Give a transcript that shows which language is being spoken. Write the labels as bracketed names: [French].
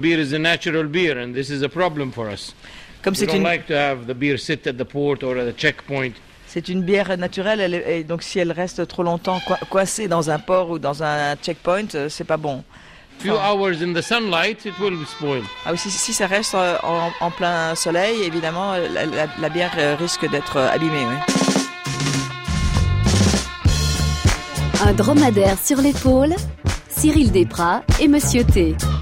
[English] Beer is a natural beer, and this is a problem for us. [French] Comme [English] we don't like to have the beer sit at the port or at the checkpoint. [French] C'est une bière naturelle, et donc si elle reste trop longtemps coincée dans un port ou dans un checkpoint, c'est pas bon. [English] A few hours in the sunlight, it will spoil. [French] Ah oui, si ça reste en plein soleil, évidemment, la bière risque d'être abîmée. Oui. Un dromadaire sur l'épaule, Cyril Desprats et Monsieur T.